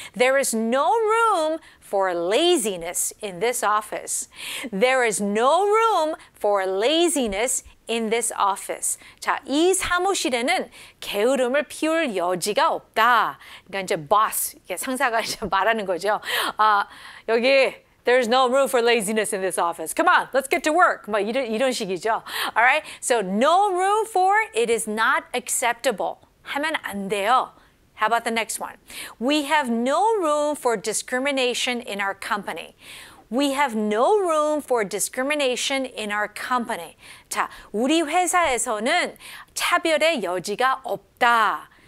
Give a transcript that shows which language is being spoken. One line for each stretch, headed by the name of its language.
English: There is no room for laziness in this office. There is no room for laziness in this office.
Korean: 자, 이 사무실에는 게으름을 피울 여지가 없다. 그러니까 이제
English: boss,
Korean: 이게 상사가 이제 말하는 거죠. 여기
English: There's no room for laziness in this office. Come on, let's get to work.
Korean: 뭐 이런 식이죠.
English: All right? So no room for it is not acceptable.
Korean: 하면 안 돼요.
English: How about the next one? We have no room for discrimination in our company. We have no room for discrimination in our company.
Korean: 자, 우리 회사에서는 차별의 여지가 없다.